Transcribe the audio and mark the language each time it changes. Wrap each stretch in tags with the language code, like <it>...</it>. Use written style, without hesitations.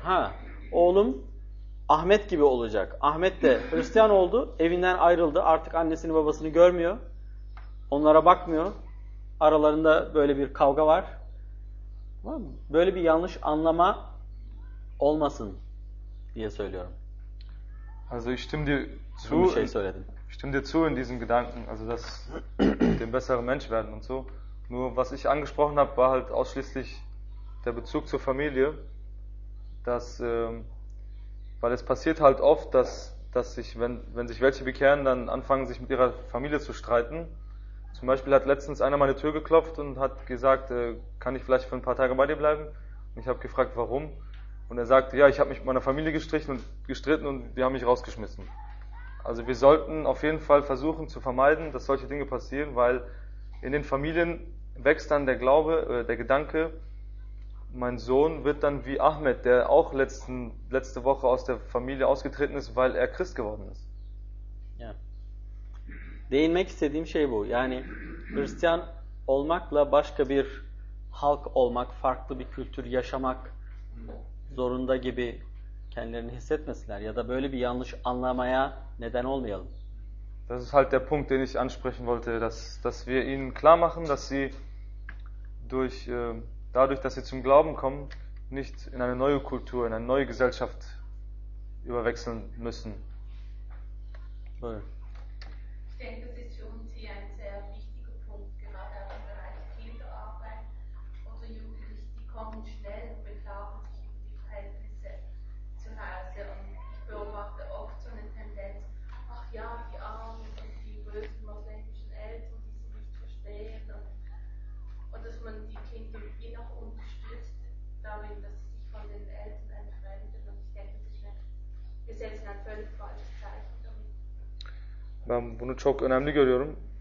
<tr>Ha, oğlum Ahmet gibi olacak. Ahmet de Hristiyan oldu, evinden ayrıldı. Artık annesini babasını görmüyor. Onlara bakmıyor. Aralarında böyle bir kavga var. Tamam mı? Böyle bir yanlış anlama olmasın diye söylüyorum.</tr> <de>Also ich stimme dir zu.</de> <tr>Bir şey söyledim.</tr> <de>Stimme dir zu in diesem Gedanken, also dass dem besseren Mensch werden und so. Nur was ich angesprochen habe, war halt ausschließlich der Bezug zur Familie, dass weil es passiert halt oft, dass sich wenn sich welche bekehren, dann anfangen sich mit ihrer Familie zu streiten. Zum Beispiel hat letztens einer meine Tür geklopft und hat gesagt, kann ich vielleicht für ein paar Tage bei dir bleiben? Und ich habe gefragt, warum? Und er sagte, ja, ich habe mich mit meiner Familie gestritten und die haben mich rausgeschmissen. Also wir sollten auf jeden Fall versuchen zu vermeiden, dass solche Dinge passieren, weil in den Familien wächst dann der Glaube, der Gedanke, mein Sohn wird dann wie Ahmed, der auch letzte Woche aus der Familie ausgetreten ist, weil er Christ geworden ist. Ja.</de> <tr>Değinmek istediğim şey bu. Yani Hristiyan olmakla başka bir halk olmak, farklı bir kültür yaşamak zorunda gibi kendilerini hissetmesinler ya da böyle bir yanlış anlamaya neden olmayalım.</tr> <de>Das ist halt der Punkt, den ich ansprechen wollte, dass wir ihnen klar machen, dass sie durch dadurch, dass sie zum Glauben kommen, nicht in eine neue Kultur, in eine neue Gesellschaft überwechseln müssen. Ich denke, das ist für uns hier ein sehr wichtiger Punkt, gerade auch im Bereich Kinderarbeit oder Jugendliche, die kommen schnell und beklagen sich über die Verhältnisse zu Hause. Und ich beobachte oft so eine Tendenz, ach ja, die Armen und die bösen moslemischen Eltern, die sie nicht verstehen. Und dass man die Kinder je nach unterstützt, darin, dass sie sich von den Eltern entfremden. Und ich denke, das ist ein, wir setzen ein völlig falsches Zeichen.</de> <tr>Ben bunu çok önemli görüyorum.</tr>